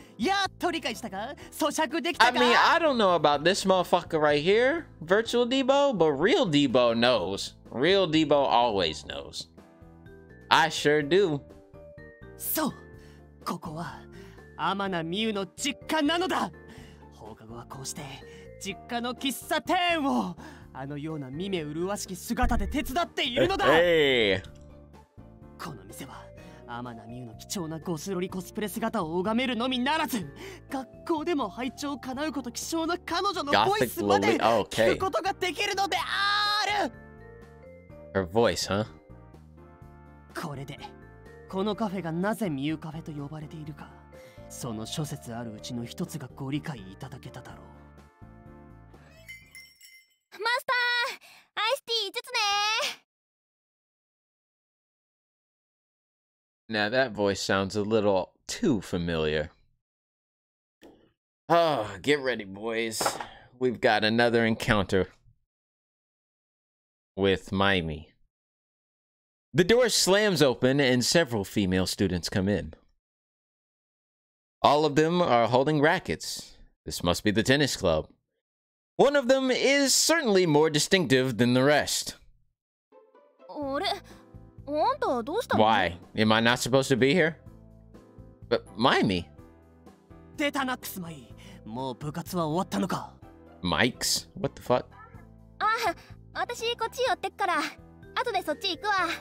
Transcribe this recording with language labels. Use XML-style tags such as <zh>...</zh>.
<en>I mean, I don't know about this motherfucker right here, Virtual Debo, but Real Debo knows. Real Debo always knows. I sure do.</en> <ja>So, ここはアマナミユの実家なのだ。放課後はこうして実家の喫茶店をあのような見目麗しき姿で手伝っているのだ。</ja> <en>Hey.</en> <ja>この店は。アマナミユの貴重なゴスロリコスプレ姿を拝めるのみならず、学校でも拝聴を叶うこと貴重な彼女のボイスまで聞くことができるのである。</ja> <en>Her voice, huh?</en> <ja>これでこのカフェがなぜミユカフェと呼ばれているか、その諸説あるうちの一つがご理解いただけただろう。マスター、アイスティー5つね。</ja> <en>Now that voice sounds a little too familiar. Oh, get ready, boys. We've got another encounter with Maimi. The door slams open and several female students come in. All of them are holding rackets. This must be the tennis club. One of them is certainly more distinctive than the rest. What? Why? Am I not supposed to be here? But, Maimi.</en> <ja>出たな、クスマイ。もう部活は終わったのか。</ja> <en>マイクス What the fuck?</en> <ja>ああ、私こっち寄ってっから、後でそっち行くわ。</ja>